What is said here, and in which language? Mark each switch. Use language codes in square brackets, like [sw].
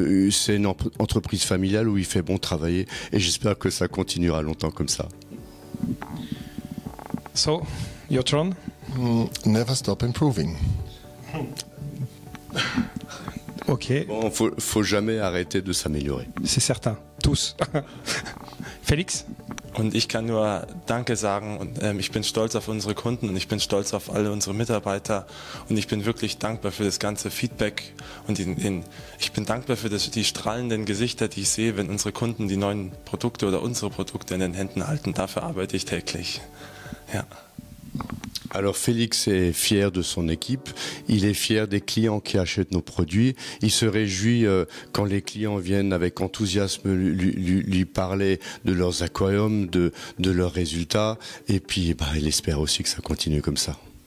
[fr] C'est une entreprise familiale où il fait bon travailler. Et j'espère que ça continuera longtemps comme ça. [en] So, your turn. Never stop improving. Ok. [fr] Bon, faut jamais arrêter de s'améliorer. C'est certain. Tous. Felix? [de] Und ich kann nur Danke sagen und ich bin stolz auf unsere Kunden und ich bin stolz auf alle unsere Mitarbeiter und ich bin wirklich dankbar für das ganze Feedback und ich bin dankbar für die strahlenden Gesichter, die ich sehe, wenn unsere Kunden die neuen Produkte oder unsere Produkte in den Händen halten. Dafür arbeite ich täglich. Ja. [fr] Alors Félix est fier de son équipe, il est fier des clients qui achètent nos produits, il se réjouit quand les clients viennent avec enthousiasme lui parler de leurs aquariums, de leurs résultats, et puis il espère aussi que ça continue comme ça.